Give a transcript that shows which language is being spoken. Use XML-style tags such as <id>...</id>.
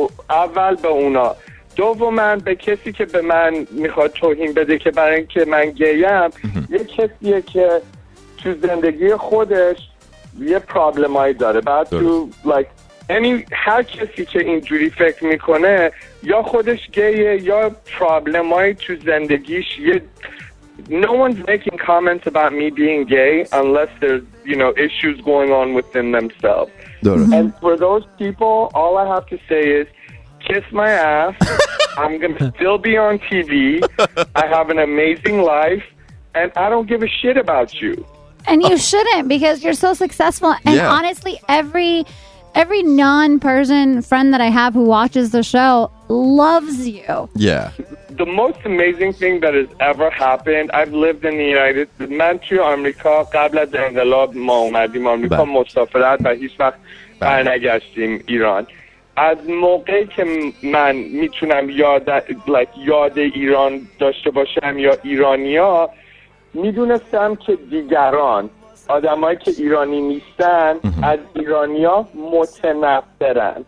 <fa>اول به اونا، دومن به کسی که به من میخواد توهین بده که برای اینکه من گیم. یه کسیه که تو زندگی خودش یه پرابلمایی داره. بعد تو</fa> <en>like any</en> <fa>هر کسی که اینجوری فکر میکنه یا خودش گیه یا پرابلمایی تو زندگیش.</fa> <en>یه no one's making comments about me being gay unless there's, you know, issues going on within themselves. And for those people, all I have to say is, kiss my ass. I'm going to still be on TV. I have an amazing life. And I don't give a shit about you. And you shouldn't, because you're so successful. And yeah, honestly, every non-Persian friend that I have who watches the show loves you. Yeah. The most amazing thing that has ever happened, I've lived in the United States.</en> <fa>من توی آمریکا قبل از انقلاب ما اومدیم آمریکا مسافرت و هیچ وقت برنگشتیم ایران. از موقعی که من میتونم یاد ایران داشته باشم یا ایرانیا، میدونستم که دیگران، آدمایی که ایرانی نیستن، از ایرانیا متنفرن.</fa>